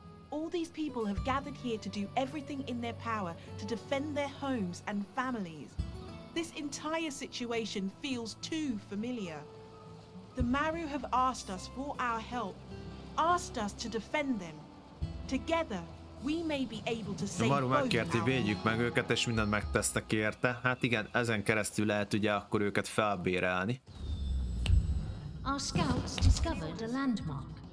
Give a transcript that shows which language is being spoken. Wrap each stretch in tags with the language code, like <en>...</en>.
<en>All these people have gathered here to do everything in their power to defend their homes and families. This entire situation feels too familiar. The Maru have asked us for our help, asked us to defend them. Together, we may be able to save both of them.</en> <hu>Maru megkért, hogy védjük meg őket, és mindent megtesznek érte. Hát igen, ezen keresztül lehet ugye akkor őket felbérelni.</hu> <en>Our scouts discovered a landmark.</en>